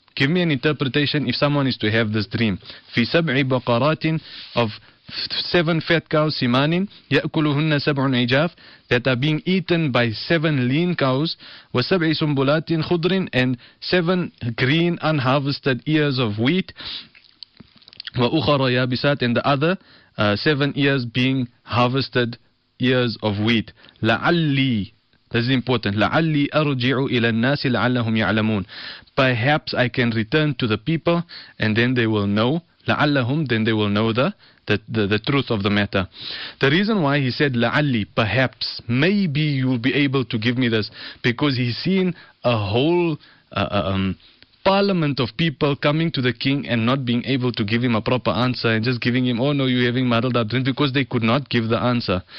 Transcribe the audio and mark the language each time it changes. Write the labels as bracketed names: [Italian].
[English] Give me an interpretation if someone is to have this dream. [Arabic] في سبع بقرات [English] of seven fat cows simanin [Arabic] يأكلهن سبع عجاف [English] that are being eaten by seven lean cows [Arabic] وسبع سنبلات خضر [English] and seven green unharvested ears of wheat [Arabic] وأخرى يابسات [English] and the other seven ears being harvested ears of wheat [Arabic] لعلي. [English] This is important. [Arabic] لعلي أرجع إلى الناس لعلهم يعلمون. [English] Perhaps I can return to the people and then they will know. [Arabic] لعلهم, [English] then they will know the truth of the matter. The reason why he said [Arabic] لعلي, [English] perhaps, maybe you will be able to give me this, because he's seen a whole parliament of people coming to the king and not being able to give him a proper answer and just giving him, oh no, you're having muddled up drink, because they could not give the answer.